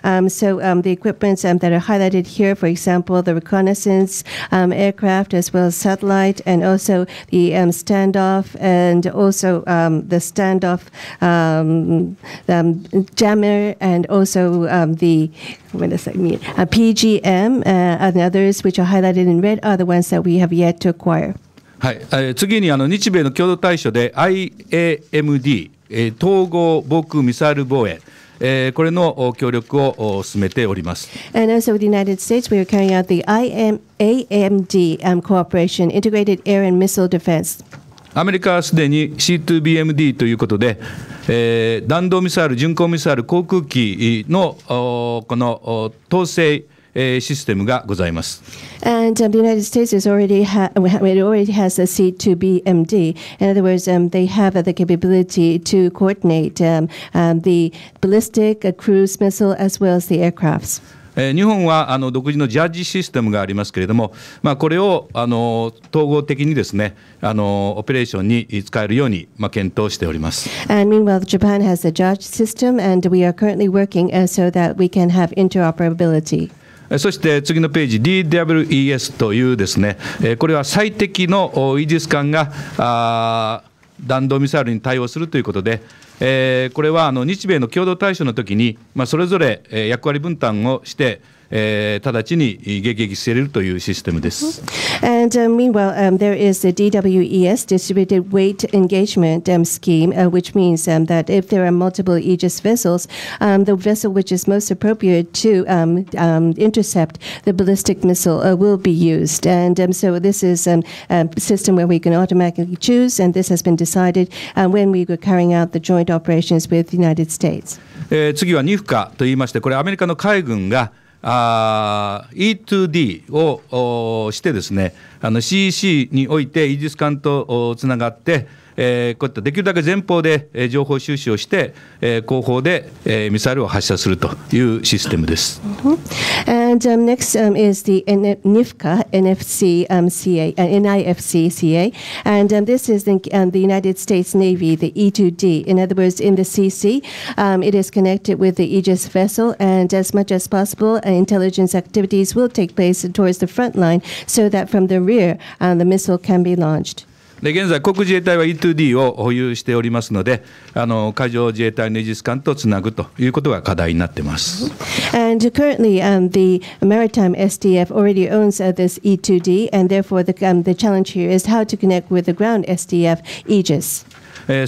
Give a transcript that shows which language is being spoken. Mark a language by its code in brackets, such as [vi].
[en] So the equipment that are highlighted here, for example, the reconnaissance aircraft as well as satellite and also the standoff and also the standoff jammer and also the PGM and others which are highlighted in red are the ones that we have yet to acquire. [ja] はい、次に日米の共同対処で IAMD 統合防空ミサイル防衛、これの協力を進めております。 [en] And also with the United States we are carrying out the IAMD cooperation integrated air and missile defense。 [ja] アメリカはすでに C2BMD ということで、弾道ミサイル、巡航ミサイル、航空機のこの統制システムがございます。 [en] And the United States is already already has a C2BMD. In other words, they have the capability to coordinate the ballistic cruise missile as well as the aircrafts. [ja] 日本は独自のジャッジシステムがありますけれども、これを統合的にですね、オペレーションに使えるように検討しております。 [en] And meanwhile, Japan has a judge system, and we are currently working so that we can have interoperability. [ja] そして次のページ、DWES というですね、これは最適のイージス艦が弾道ミサイルに対応するということで、これは日米の共同対処の時に、それぞれ役割分担をして、直ちに迎撃せれるというシステムです。 [en] And meanwhile, there is the DWES, Distributed Weight Engagement Scheme, which means that if there are multiple Aegis vessels, the vessel which is most appropriate to intercept the ballistic missile will be used. And so this is a system where we can automatically choose, and this has been decided when we were carrying out the joint operations with the United States. [ja] 次はニフカと言いまして、これアメリカの海軍がE2D をしてですね、CEC においてイージス艦とつながって、こういったできるだけ前方で情報収集をして、後方でミサイルを発射するというシステムです。 Mm-hmm. [en] And next is the NIFCA, NFC, CA, NIFC, CA. And this is the United States Navy, the E2D. In other words, in the CC, it is connected with the Aegis vessel. And as much as possible, intelligence activities will take place towards the front line so that from the rear, the missile can be launched. [ja] で現在航空自衛隊は E2D を保有しておりますので、海上自衛隊のイージス艦とつなぐということが課題になっています。 [en] And currently the maritime SDF already owns this E2D and therefore the challenge here is how to connect with the ground SDF Aegis。